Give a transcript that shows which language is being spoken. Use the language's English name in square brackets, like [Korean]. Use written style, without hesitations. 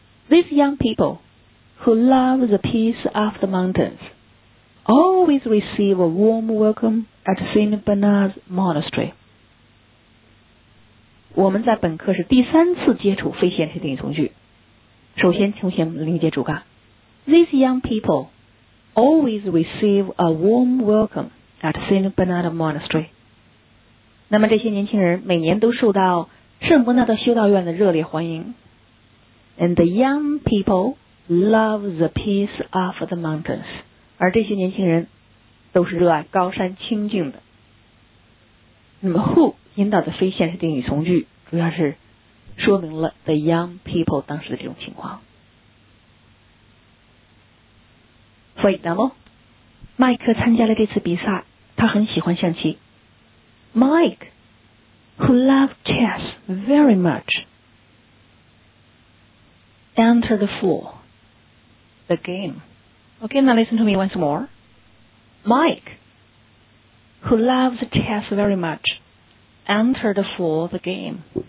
[English] These young people who love the peace of the mountains always receive a warm welcome at St. Bernard's Monastery. [Chinese] 我们在本课是第三次接触非现实定语从句。首先请先理解主干。 [English] These young people always receive a warm welcome at St. Bernard Monastery. [Chinese] 那么这些年轻人每年都受到圣伯纳德修道院的热烈欢迎。 [English] And the young people love the peace of the mountains. [Chinese] 而这些年轻人都是热爱高山清净的。那么 who 引导的非现实定语从句主要是说明了 [English] the young people [Chinese] 当时的这种情况。所以那么麦克参加了这次比赛，他很喜欢象棋。 [English] Mike, who loved chess very much, entered for the game. Okay, now listen to me once more. Mike, who loves chess very much, entered for the game.